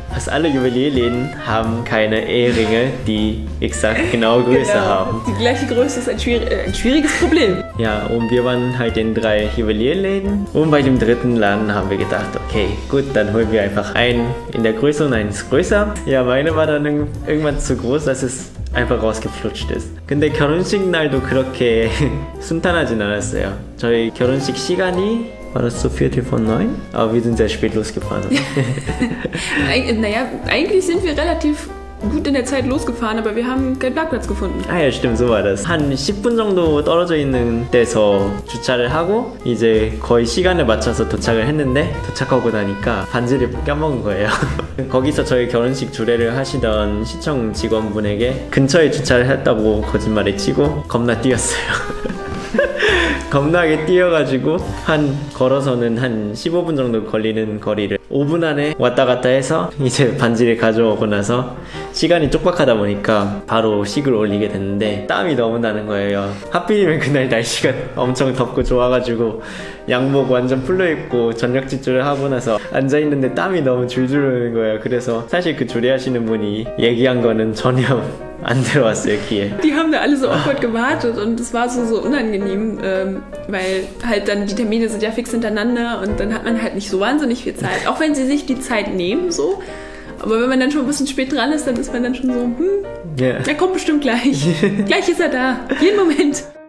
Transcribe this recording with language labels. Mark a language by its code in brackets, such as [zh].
[de] Fast alle Juwelierläden haben keine Eheringe, die exakt genau Größe haben. Die gleiche Größe ist ein schwieriges Problem. Ja, und wir waren halt in drei Juwelierläden. Und bei dem dritten Laden haben wir gedacht, okay, gut, dann holen wir einfach einen in der Größe und eins größer. Ja, meine war dann irgendwann zu groß, dass es einfach rausgeflutscht ist. [ko] 근데 결혼식 날도 그렇게 순탄하진 않았어요. 저희 결혼식 시간이 [de] war das so 9:15? Aber wir sind sehr spät losgefahren. Naja, eigentlich sind wir relativ gut in der Zeit losgefahren, aber wir haben keinen Parkplatz gefunden. Ah ja, stimmt, so war das. [ko] 한 10분 정도 떨어져 있는 데서 주차를 하고 이제 거의 시간에 맞춰서 도착을 했는데 도착하고 나니까 반지를 까먹은 거예요. 거기서 저희 결혼식 주례를 하시던 시청 직원분에게 근처에 주차를 했다고 거짓말을 치고 겁나 뛰었어요. 겁나게 뛰어가지고 한 걸어서는 한 15분 정도 걸리는 거리를 5분 안에 왔다 갔다 해서 이제 반지를 가져오고 나서 시간이 쪽박하다 보니까 바로 식을 올리게 됐는데 땀이 너무 나는 거예요. 하필이면 그날 날씨가 엄청 덥고 좋아가지고 양복 완전 풀려 입고 전력질주를 하고 나서 앉아있는데 땀이 너무 줄줄 흐르는 거예요. 그래서 사실 그 주례하시는 분이 얘기한 거는 전혀 안 들어왔어요, 귀에. 디 하면 다 알아서 [de] awkward gewartet und es war so unangenehm, weil halt dann die Termine sind ja fix hintereinander und dann hat man halt nicht so wahnsinnig viel Zeit. Auch wenn sie sich die Zeit nehmen, so. Aber wenn man dann schon ein bisschen spät dran ist, dann ist man dann schon so, er kommt bestimmt gleich. Gleich ist er da. Jeden Moment.